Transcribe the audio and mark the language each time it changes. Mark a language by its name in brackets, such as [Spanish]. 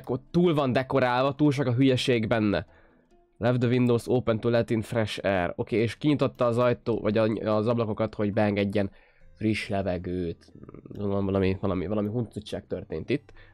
[Hungarian] Túl van dekorálva, túl sok a hülyeség benne. [English] Left the windows open to let in fresh air. [Hungarian] Oké, és kinyitotta az ajtó, vagy az ablakokat, hogy beengedjen friss levegőt. Valami huncutság történt itt.